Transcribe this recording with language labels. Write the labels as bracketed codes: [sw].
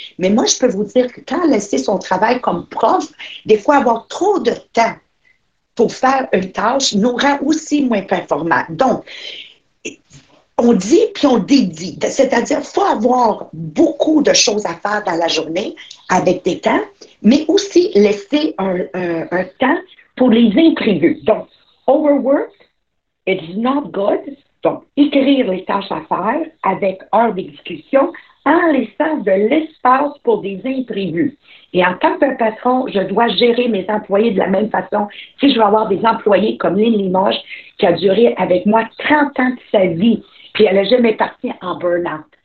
[fr] Mais moi, je peux vous dire que quand elle laissait son travail comme prof, des fois, avoir trop de temps pour faire une tâche nous rend aussi moins performants. Donc, on dit puis on dédie. C'est-à-dire, il faut avoir beaucoup de choses à faire dans la journée avec des temps, mais aussi laisser un temps pour les imprévus. Donc, [en] overwork, it's not good. [fr] Donc, écrire les tâches à faire avec heure d'exécution en laissant de l'espace pour des imprévus. Et en tant que patron, je dois gérer mes employés de la même façon. Si je veux avoir des employés comme Lynn Limoges, qui a duré avec moi 30 ans de sa vie, puis elle n'a jamais parti en burn-out.